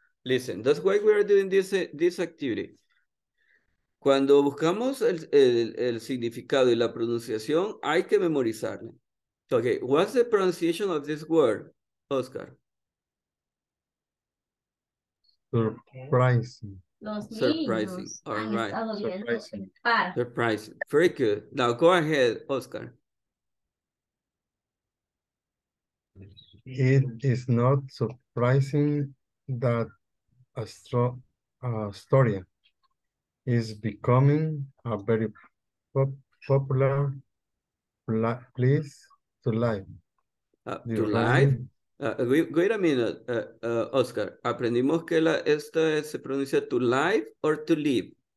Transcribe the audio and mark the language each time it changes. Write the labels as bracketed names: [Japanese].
[English] Listen, that's why we are doing this activity. [Spanish] Cuando buscamos el significado y la pronunciación, hay que memorizarle. [English] Okay, what's the pronunciation of this word, Oscar? Surprising. All right. Surprising. Very good. Now go ahead, Oscar. It is not surprising that Astoria is becoming a very popular place to live. Wait a minute, Oscar. [Spanish] ¿Aprendimos que esta se pronuncia [English] to live or to live?